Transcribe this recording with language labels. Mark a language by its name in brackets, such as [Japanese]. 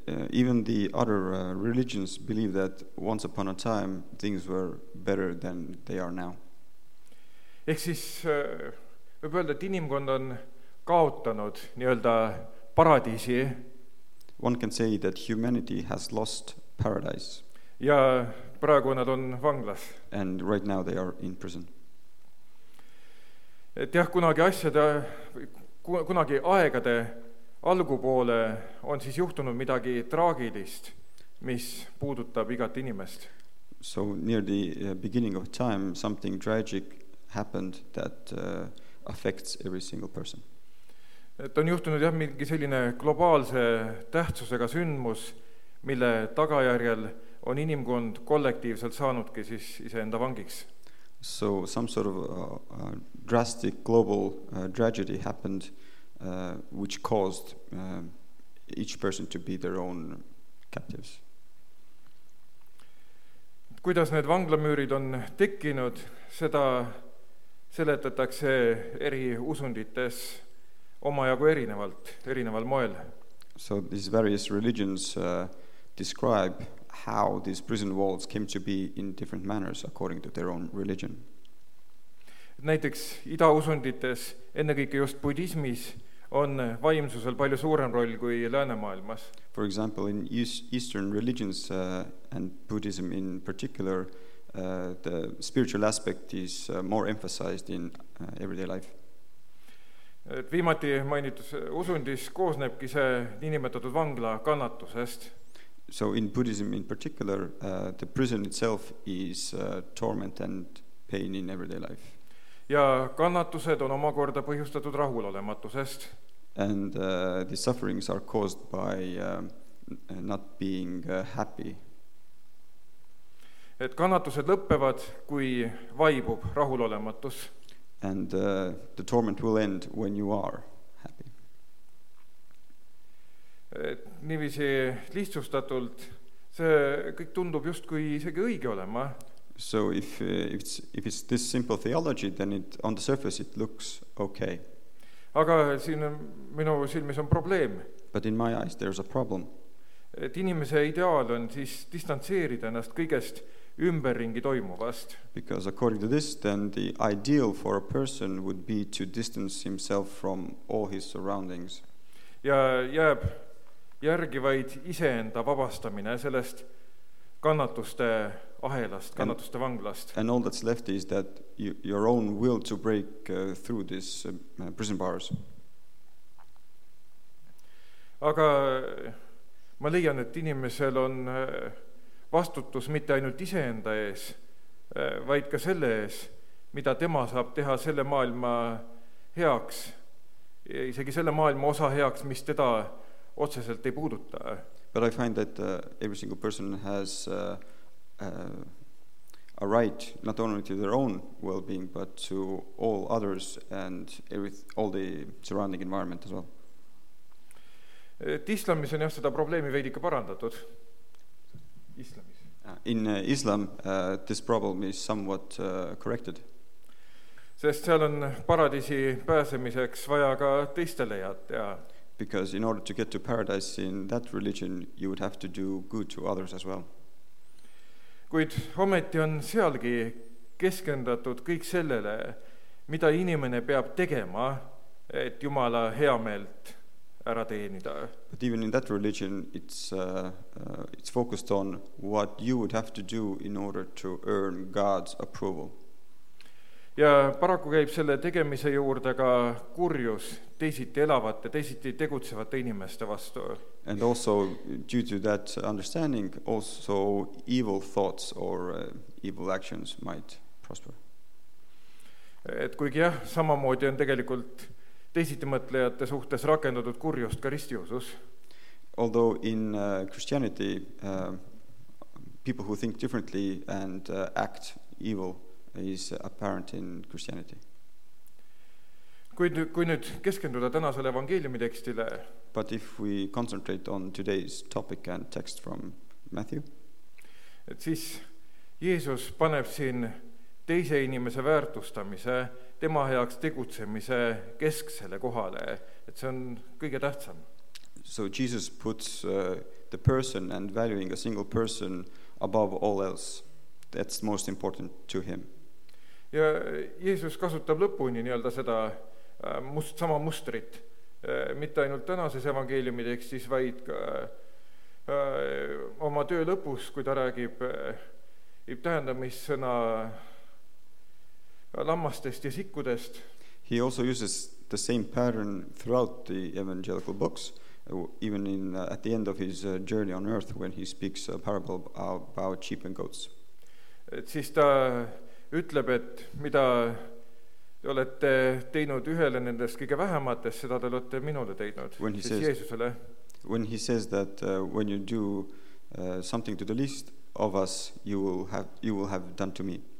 [English] Even the other religions believe that once upon a time things were better than they are now. [Estonian] Ehk siis võib öelda, et inimkond on kaotanud nii-öelda paradiisi. [English] One can say that humanity has lost paradise. [Estonian] Ja praegu nad on vanglas. [English] And right now they are in prison. [Estonian] Et jah, kunagi aegade algupoole on siis juhtunud midagi traagilist, mis puudutab igat inimest. [English] So near the beginning of time something tragic happened that affects every single person. [Estonian] Et on juhtunud jah, mingi selline globaalse tähtsusega sündmus, mille tagajärjel on inimkond kollektiivselt saanudki siis ise enda vangiks. [English] So some sort of drastic global tragedy happened which caused each person to be their own captives. [Estonian] Kuidas need vanglamüürid on tekkinud, seda seletatakse eri usundites omajagu erinevalt, erineval moel. [English] So these various religions describe how these prison walls came to be in different manners according to their own religion. [Estonian] Näiteks idausundites, enne kõike just budismis, on vaimsusel palju suurem roll kui läänemaailmas. [English] For example, in Eastern religions and Buddhism in particular, the spiritual aspect is more emphasized in everyday life. [Estonian] Et viimati mainitus usundis koosnebki see niinimetatud vangla kannatusest. [English] So in Buddhism in particular, the prison itself is torment and pain in everyday life. [Estonian] Ja kannatused on omakorda põhjustatud rahulolematusest. [English] And the sufferings are caused by not being happy. [Estonian] Et kannatused lõppevad, kui vaibub rahulolematus. [English] And the torment will end when you are happy. [Estonian] Et niivisi lihtsustatult, see kõik tundub just kui isegi õige olema. [English] So if it's this simple theology, then it on the surface it looks okay. [Estonian] Aga siin minu silmis on probleem. [English] But in my eyes there's a problem. [Estonian] Et inimese ideaal on siis distantseerida ennast kõigest ümberringi toimuvast. [English] Because according to this, then the ideal for a person would be to distance himself from all his surroundings. [Estonian] Ja jääb järgi vaid iseenda vabastamine sellest kannatuste ahelast, kannatuste vanglast. [English] And all that's left is that your own will to break through this prison bars. [Estonian] Aga ma leian, et inimesel on vastutus mitte ainult iseenda ees, vaid ka selle ees, mida tema saab teha selle maailma heaks, ja isegi selle maailma osa heaks, mis teda otseselt ei puuduta. [English] But I find that every single person has a right not only to their own well-being but to all others and all the surrounding environment as well. [Estonian] Islamis on jah seda probleemi veidika parandatud. [English] In Islam this problem is somewhat corrected. [Estonian] Sest seal on paradisi pääsemiseks vaja ka teistele jätta. [English] Because in order to get to paradise in that religion you would have to do good to others as well. [Estonian] Kuid ometi on sealgi keskendatud kõik sellele, mida inimene peab tegema, et Jumala heameelt ära teenida. [English] But even in that religion, it's focused on what you would have to do in order to earn God's approval. [Estonian] Ja paraku käib selle tegemise juurde ka kurjus teisiti elavate, teisiti tegutsevate inimeste vastu. [English] And also, due to that understanding, also evil thoughts or evil actions might prosper. [Estonian] Et kuigi jah, samamoodi on tegelikult teisiti mõtlejate suhtes rakendatud kurjust ka ristiusus. [English] Although in Christianity, people who think differently and act evil is apparent in Christianity. [Estonian] Kui nüüd keskenduda tänasele evangeeliumi tekstile. [English] But if we concentrate on today's topic and text from Matthew. [Estonian] Et siis Jeesus paneb siin teise inimese väärtustamise, tema heaks tegutsemise kesksele kohale, et see on kõige tähtsam. [English] So Jesus puts the person and valuing a single person above all else. That's most important to him. [Estonian] Ja Jeesus kasutab lõpuni nii-öelda seda sama mustrit, mitte ainult tänases evangeeliumi tekstis, vaid ka oma töö lõpus, kui ta räägib tähendamissõna lammastest ja sikkudest. [English] He also uses the same pattern throughout the evangelical books, even in at the end of his journey on earth, when he speaks a parable about sheep and goats. [Estonian] Et siis ta ütleb, et mida te olete teinud ühele nendest kõige vähematest, seda te olete minule teinud, siis Jeesusele. [English] When he says that when you do something to the least of us, you will have done to me.